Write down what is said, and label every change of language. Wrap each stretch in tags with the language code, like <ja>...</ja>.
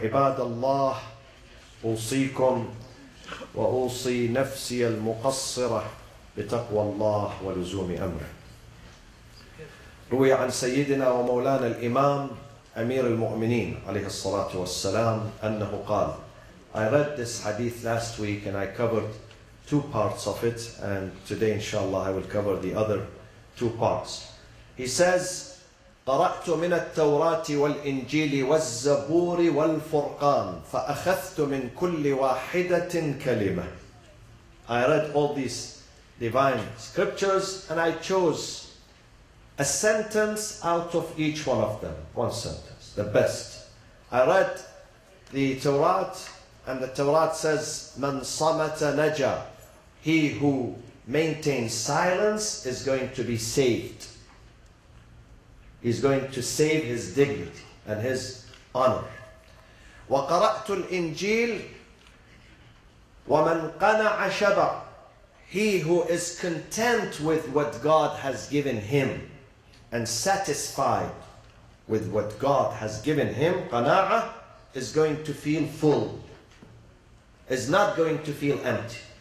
<ar>عباد الله، أوصيكم وأوصي نفسي المقصرة بتقوى الله ولزوم أمره. روي عن سيدنا ومولانا الإمام أمير المؤمنين عليه الصلاة والسلام أنه قال.</ar> <en>I read this hadith last week and I covered two parts of it, and today inshallah I will cover the other two parts. He says,</en> <ar>قرأت من التوراة والإنجيل والزبور والفرقان فأخذت من كل واحدة كلمة.</ar> <en>I read all these divine scriptures and I chose a sentence out of each one of them. One sentence, the best. I read the Torah and the Torah says,</en> <ar>من صمت نجا.</ar> <en>He who maintains silence is going to be saved. He's going to save his dignity and his honor.</en> <ar>وقرأت الإنجيل ومن قنع شبع.</ar> <en>He who is content with what God has given him and satisfied with what God has given him, قناعة, is going to feel full, is not going to feel empty.</en>